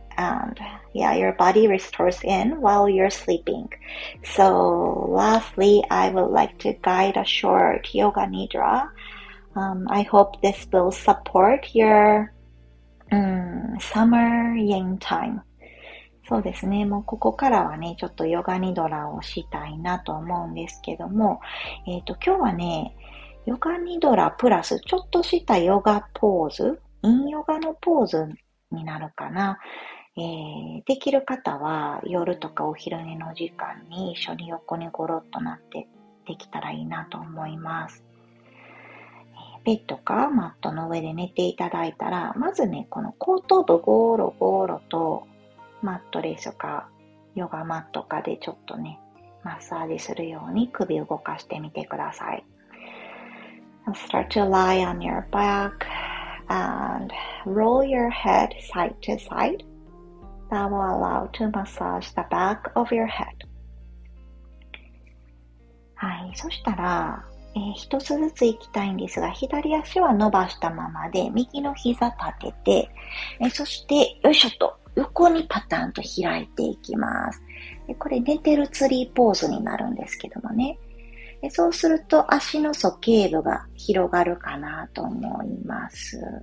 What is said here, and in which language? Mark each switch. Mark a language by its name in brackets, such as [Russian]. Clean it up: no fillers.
[English] And yeah, your body restores in while you're sleeping. So lastly, I would like to guide a short yoga nidra. I hope this will support your summer yin time. [Japanese] そうですね。もうここからはね、ちょっとヨガニドラをしたいなと思うんですけども、今日はね、ヨガニドラプラスちょっとしたヨガポーズ、インヨガのポーズになるかな、できる方は夜とかお昼寝の時間に一緒に横にゴロッとなってできたらいいなと思います。ベッドかマットの上で寝ていただいたら、まずねこの後頭部ゴロゴロとマットレスかヨガマットかでちょっとねマッサージするように首を動かしてみてください。 [English] Start to lie on your backAnd roll your head side to side. That will allow to massage the back of your head. [Japanese] はい、そしたら、一つずつ行きたいんですが、左足は伸ばしたままで、右の膝立てて、そして、よいしょと、横にパターンと開いていきます。で、これ寝てるツリーポーズになるんですけどもね。そうすると足の鼠径部が広がるかなと思います。